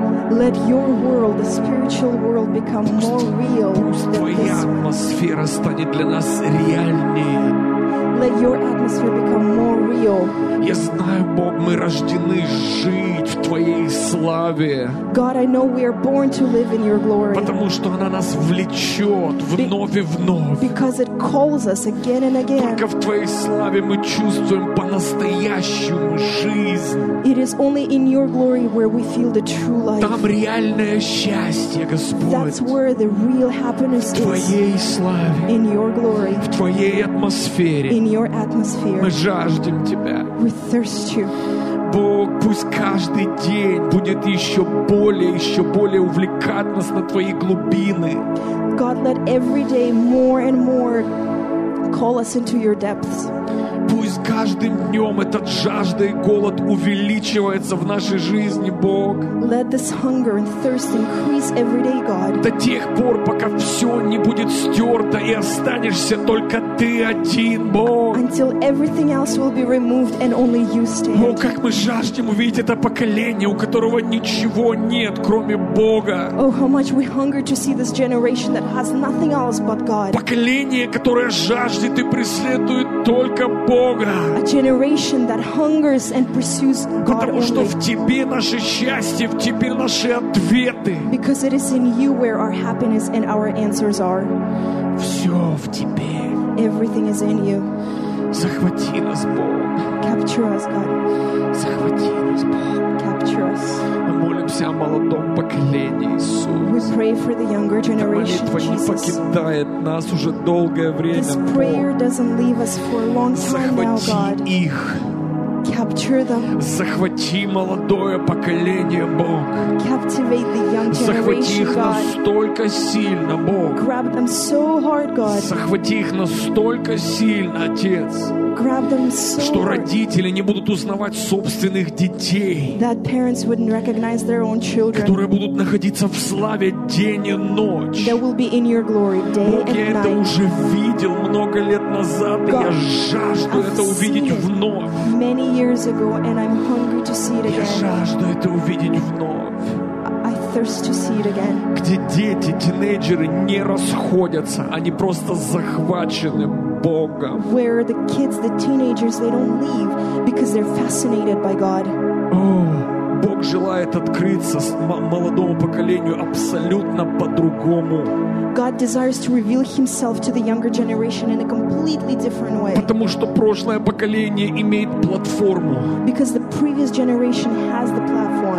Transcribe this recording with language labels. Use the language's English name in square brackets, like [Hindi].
[English] Let your world, the spiritual world, become [Russian] пусть, [English] more real. [Russian] Пусть твоя атмосфера станет для нас реальнее. [English] Let your atmosphere become more real. [Russian] Я знаю, Бог, мы рождены жить в твоей славе. [English] God, I know we are born to live in your glory. [Russian] Потому что она нас влечет вновь и вновь. [English] Because it calls us again and again. [Russian] Только в твоей славе мы чувствуем по-настоящему жизнь. [English] It is only in your glory where we feel the true life. [Russian] Там реальное счастье, Господь. [English] That's where the real happiness is. [Russian] В твоей славе. [English] In your glory. [Russian] В твоей атмосфере. [English] In your atmosphere. [Russian] Мы жаждем тебя. [English] We thirst you. [Russian] Бог, пусть каждый день будет еще более увлекать нас на твои глубины. [English] God, let every day more and more call us into your depths. [Russian] Пусть каждым днем этот жажда и голод увеличивается в нашей жизни, Бог. [English] Let this hunger and thirst increase every day, God. [Russian] До тех пор, пока все не будет стерто и останешься только ты один, Бог. [English] Until everything else will be removed and only you stand. [Russian] О, как мы жаждем увидеть это поколение, у которого ничего нет, кроме Бога. [English] Oh, how much we hunger to see this generation that has nothing else but God. [Russian] Поколение, которое жаждет и преследует только Бога. [English] A generation that hungers and pursues God. [Russian] Потому что [English] only. [Russian] В тебе наше счастье, в тебе наши ответы. [English] Because it is in you where our happiness and our answers are. [Russian] Все в тебе. [English] Everything is in you. [Russian] Захвати нас, Бог. [English] Capture us, God. [Russian] Захвати нас, Бог. [English] Capture us. [Russian] Мы молимся о молодом поколении, Иисус. [English] We pray for the younger generation, Jesus. [Russian] Эта молитва не покидает нас уже долгое время, Бог. [English] This prayer doesn't leave us for a long time now, God. [Russian] Захвати их. [English] Capture them. [Russian] Захвати молодое поколение, Бог. [English] Captivate the young generation, [Russian] захвати их [English] God. [Russian] Настолько сильно, Бог. [English] Grab them so hard, God. [Russian] Захвати их настолько сильно, Отец. [English] Grab them so [Russian] что родители не будут узнавать собственных детей, [English] that parents wouldn't recognize their own children, [Russian] которые будут находиться в славе день и ночь. [English] They will be in your glory day [Russian] Бог, [English] and [Russian] я [English] night. [Russian] Это уже видел много лет назад, [English] God, [Russian] и я жажду [English] I've [Russian] это увидеть вновь. [English] Many years ago, and I'm hungry to see it again. [Russian] Я жажду это увидеть вновь. [English] I thirst to see it again. [Russian] Где дети, тинейджеры не расходятся, они просто захвачены Богом. [English] Where the kids, the teenagers, they don't leave because they're fascinated by God. [Russian] Oh, Бог желает открыться молодому поколению абсолютно по-другому. [English] God desires to reveal himself to the younger generation in a completely different way. [Russian] Потому что прошлое поколение имеет платформу. [English] Because the previous generation has the platform.